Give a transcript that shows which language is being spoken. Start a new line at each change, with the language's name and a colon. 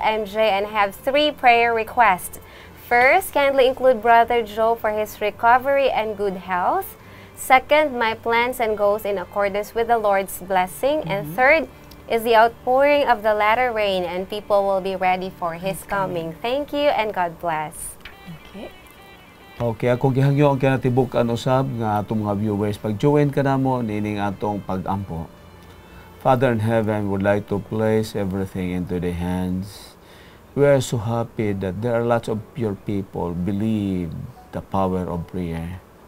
English: I'm Jay and have three prayer requests. First, kindly include Brother Joe for his recovery and good health. Second, my plans and goals in accordance with the Lord's blessing. Mm-hmm. And third, is the outpouring of the latter rain and people will be ready for His coming. Thank you and God bless.
Cebuano: Okay, akong gihangyo ang kinatibukan usab nga atong mga viewers. Pag-join ka na mo, nining atong pag-ampo.
English: Father in heaven, would like to place everything into the hands. We are so happy that there are lots of your people believe the power of prayer.